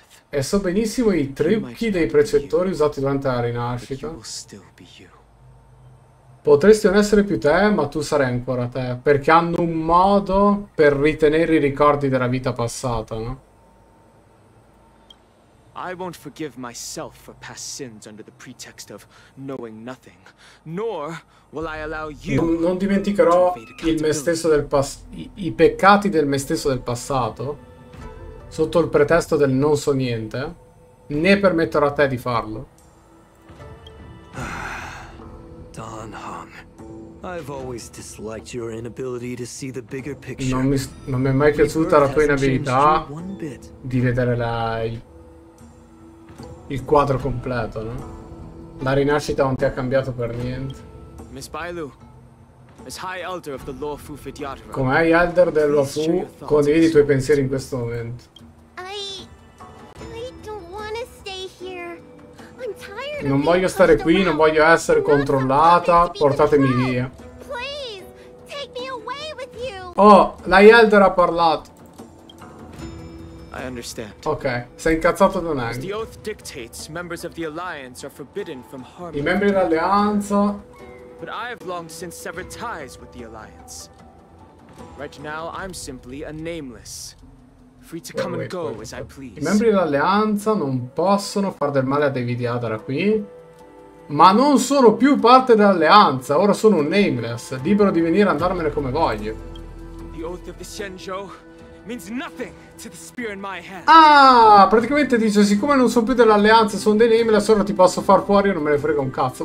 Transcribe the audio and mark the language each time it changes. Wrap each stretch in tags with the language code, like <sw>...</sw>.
<it>E so benissimo i trucchi dei precettori usati durante la rinascita. Potresti non essere più te, ma tu sarai ancora te. Perché hanno un modo per ritenere i ricordi della vita passata, no?</it> <en>I won't forgive myself for past sins under the pretext of knowing nothing, nor will I allow you.</en> <it>Non dimenticherò il me stesso del i peccati del me stesso del passato sotto il pretesto del non so niente, né permetterò a te di farlo.</it> <en>Don Hung, I've always disliked your inability to see the bigger picture.</en> <it>Non mi è mai piaciuta la tua inabilità di vedere il quadro completo, no? La rinascita non ti ha cambiato per niente.</it> <en>Miss Bailu, as High Elder of the Lawfu Vidyadara.</en> <it>Come High Elder del Lawfu, condividi i tuoi pensieri in questo momento.</it> <en>I don't wanna stay here. I'm tired.</en> <it>Non voglio stare qui, non voglio essere controllata. Portatemi via.</it> <en>Please, take me away with you.</en> <it>Oh, la High Elder ha parlato.</it> <en>I understand.</en> <it>Ok, sei incazzato da me.</it> <en>The oath dictates members of the alliance are forbidden from harm.</en> <it>I membri dell'alleanza.</it> <en>But I have long since severed ties with the alliance. Right now I'm simply a nameless, free to come and go as I please.</en> <it>I membri dell'alleanza non possono far del male a David Adara qui, ma non sono più parte dell'alleanza, ora sono un nameless, libero di venire e andarmene come voglio.</it> <en>The oath of the Senjo means nothing to the spear in my hand.</en> <it>Ah, praticamente dice: siccome non sono più dell'alleanza, sono dei nemici, allora ti posso far fuori e non me ne frega un cazzo.</it>